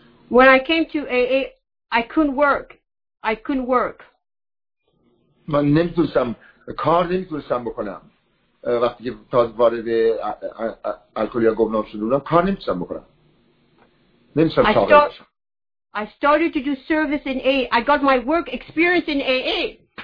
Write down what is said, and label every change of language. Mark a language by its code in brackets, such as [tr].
[en] When I came to AA, I couldn't work. [fa] من نمیتونستم، کار نمیتونستم بکنم. وقتی که تازه وارد الکلیار گمنام شده بودم، کار نمیتونستم بکنم. [en] I started to do service in AA. I got my work experience in AA.